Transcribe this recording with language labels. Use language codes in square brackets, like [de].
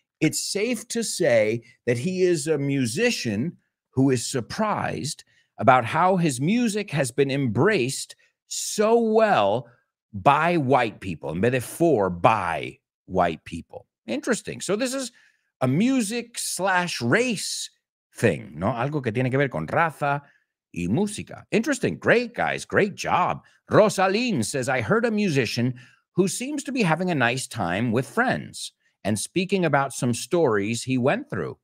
[en] It's safe to say that he is a musician who is surprised about how his music has been embraced so well by white people. [es] En vez de [en] for, by white people. Interesting. So this is a music/race thing, no? [es] Algo que tiene que ver con raza y música. [en] Interesting. Great, guys. Great job. Rosaline says, I heard a musician who seems to be having a nice time with friends and speaking about some stories he went through.